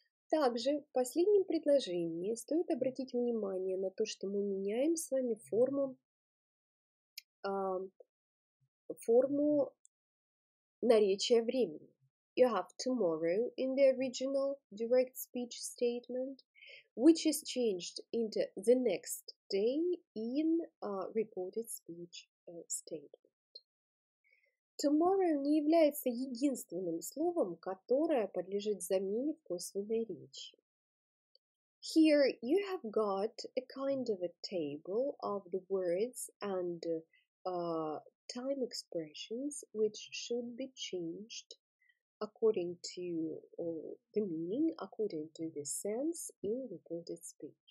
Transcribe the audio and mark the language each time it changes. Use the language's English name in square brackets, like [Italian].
[Russian] Также в последнем предложении стоит обратить внимание на то, что мы меняем с вами форму наречия времени. [English] You have tomorrow in the original direct speech statement, which is changed into the next day in a reported speech statement. Tomorrow [Russian] не является единственным словом, которое подлежит замене в косвенной речи. [English] Here you have got a kind of a table of the words and time expressions which should be changed according to the meaning, according to the sense in reported speech.